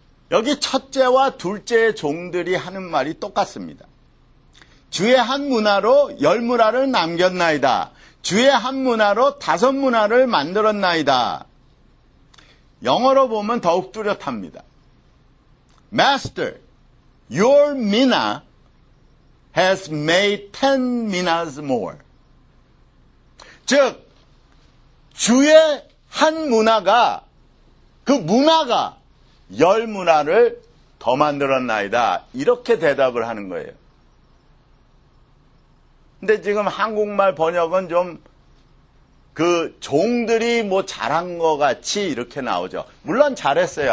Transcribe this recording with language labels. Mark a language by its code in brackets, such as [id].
[ko] 여기 첫째와 둘째의 종들이 하는 말이 똑같습니다. 주의 한 문화로 열 문화를 남겼나이다. 주의 한 문화로 다섯 문화를 만들었나이다. 영어로 보면 더욱 뚜렷합니다. [en] Master, your mina has made ten minas more. [ko] 즉, 주의 한 문화가, 그 문화가 열 문화를 더 만들었나이다. 이렇게 대답을 하는 거예요. 근데 지금 한국말 번역은 좀 그 종들이 뭐 잘한 것 같이 이렇게 나오죠. 물론 잘했어요.